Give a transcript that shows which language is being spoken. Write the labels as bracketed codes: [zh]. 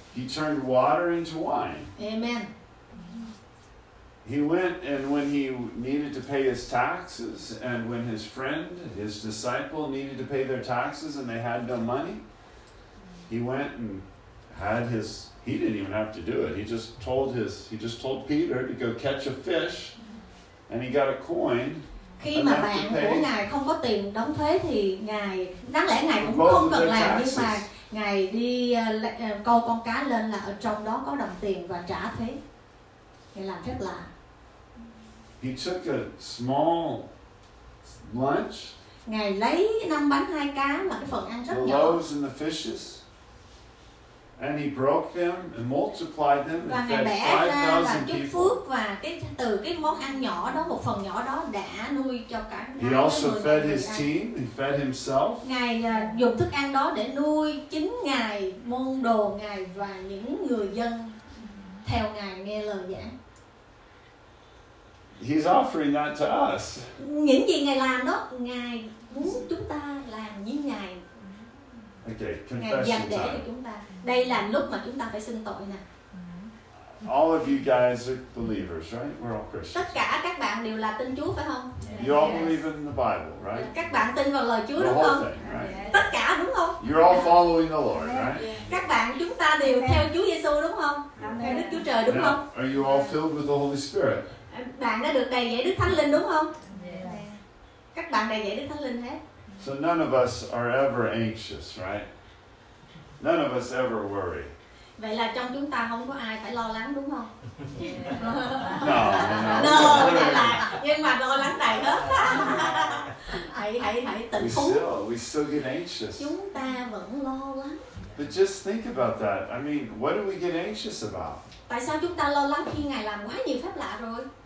[en] He turned water into wine. Amen. He went and when he needed to pay his taxes and when his friend, his disciple needed to pay their taxes and they had no money, he went and had his, he didn't even have to do it. He just told Peter to go catch a fish and he got a coin. [vi] Khi mà bạn của Ngài không có tiền đóng thuế thì Ngài, đáng lẽ Ngài cũng không cần làm, nhưng mà Ngài đi câu con cá lên là ở trong đó có đồng tiền và trả thuế. Ngài làm rất lạ. [en] He took a small lunch. [vi] Ngài lấy 5 bánh 2 cá là cái phần ăn rất nhỏ. [en] The loaves and the fishes. And he broke them and multiplied them [vi] và [en] and fed 5,000 people. [vi] Phước và cái từ cái món ăn nhỏ đó, một phần nhỏ đó đã nuôi cho cả. [en] He also fed his team. He fed himself. [vi] Ngài dùng thức ăn đó để nuôi chính Ngài, môn đồ Ngài và những người dân theo Ngài nghe lời giảng. He's offering that to us. Những gì Ngài làm đó, Ngài muốn chúng ta làm như Ngài. [en] Okay, [vi] đây là lúc mà chúng ta phải xưng tội nè. [en] All of you guys are believers, right? We're all Christians. [vi] Tất cả các bạn đều là tin Chúa phải không? [en] You all believe in the Bible, right? [vi] Các bạn tin vào lời Chúa [en] the [vi] đúng không? [en] Thing, right? [vi] Tất cả đúng không? [en] You're all following the Lord, right? [vi] Các bạn chúng ta đều theo Chúa Giêsu đúng không? Theo Đức Chúa Trời đúng không? [en] Are you all filled with the Holy Spirit? [vi] Bạn đã được đầy dẫy Đức Thánh Linh đúng không? Các bạn đầy dẫy Đức Thánh Linh hết. [en] So none of us are ever anxious, right? None of us ever worry. [vi] Vậy là trong chúng ta không có ai phải lo lắng đúng không? [en] No, no, no. [vi] No, nhưng mà lo lắng đầy hết. Hãy tỉnh thú. [en] We still get anxious. [vi] Chúng ta vẫn lo lắng. [en] But just think about that. I mean, what do we get anxious about? [vi] Tại sao chúng ta lo lắng khi Ngài làm quá nhiều phép lạ rồi?